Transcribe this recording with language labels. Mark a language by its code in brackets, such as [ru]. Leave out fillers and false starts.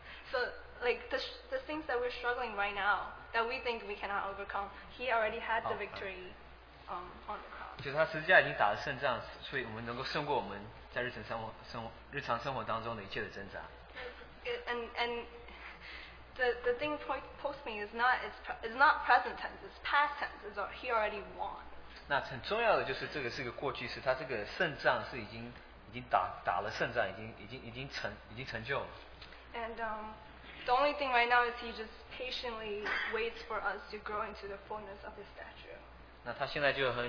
[en] So the things that we're struggling right now that we think we cannot overcome, he already had the victory on the cross. [zh] 在日常生活当中的一切的挣扎。 [en] And the thing post me is not present tense, it's past tense, it's he already won. [zh] 那很重要的就是这个是个过去式, 他这个胜仗是已经打了胜仗，已经成就了。 [en] And the only thing right now is he just patiently waits for us to grow into the fullness of his stature.